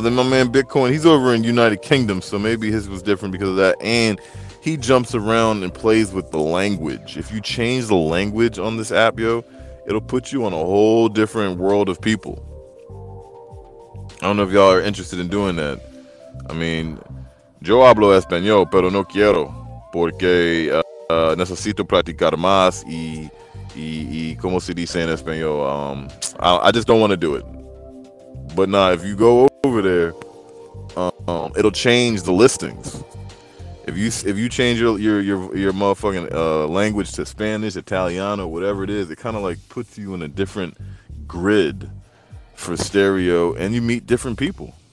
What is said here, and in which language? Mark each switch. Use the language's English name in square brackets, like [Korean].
[English] Then my man Bitcoin, he's over in United Kingdom, so maybe his was different because of that. And he jumps around and plays with the language. If you change the language on this app, yo, it'll put you on a whole different world of people. I don't know if y'all are interested in doing that. I mean, [Spanish] yo hablo español, pero no quiero, porque necesito practicar más y como se dice en español. [English] I just don't want to do it. But nah, if you go over there, it'll change the listings. If you change your motherfucking language to Spanish, Italiano, whatever it is, it kind of like puts you in a different grid for Stereo, and you meet different people.